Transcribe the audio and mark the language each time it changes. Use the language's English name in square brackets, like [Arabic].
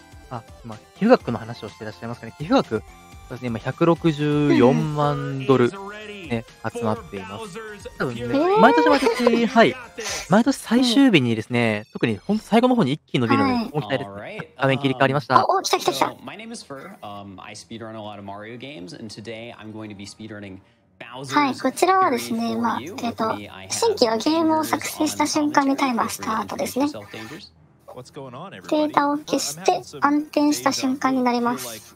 [Japanese] あ、今、寄付額の話をしていらっしゃいますかね。寄付額、今164万ドル、ね、集まっています。多分ね、毎年毎年、はい、毎年最終日にですね、特に本当最後の方に一気に伸びるので、期待です。画面切り替わりました。お、来た来た来た。 [English] I speed run a lot of Mario games, and today I'm going to be speed running. [Japanese] はい、こちらはですね、まあ、新規のゲームを作成した瞬間にタイマースタートですね。データを消して、暗転した瞬間になります。